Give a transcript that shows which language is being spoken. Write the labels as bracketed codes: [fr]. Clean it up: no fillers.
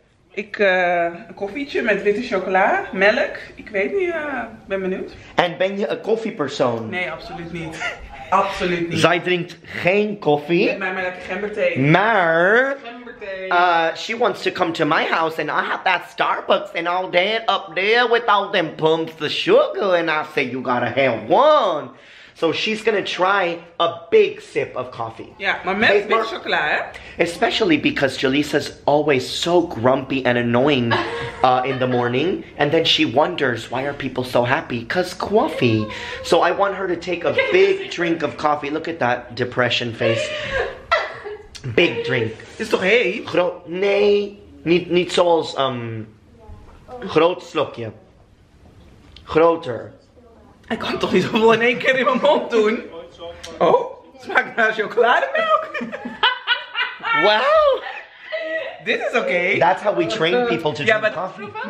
[nl] Ik een koffietje met witte chocola, melk. Ik weet niet, ben benieuwd. En ben je een koffiepersoon? Nee, absoluut niet. Absoluut niet. Zij drinkt geen koffie. Met mij maar lekker gemberthee. Maar... [en] She wants to come to my house and I have that Starbucks and all that up there with all them pumps of sugar and I say you gotta have one. So she's gonna try a big sip of coffee. Yeah, my man's big chocolate. Especially because Jaleesa's always so grumpy and annoying in the morning. And then she wonders, why are people so happy? Because coffee. So I want her to take a big drink of coffee. Look at that depression face. Big drink. [nl] Is toch heet? Nee, niet zoals groot slokje. Groter. Ik kan toch niet zoveel in één keer in mijn mond doen? Oh, smaakt naar chocolademelk. Wow. Dit is oké. Okay. [en] That's how we train people to drink coffee.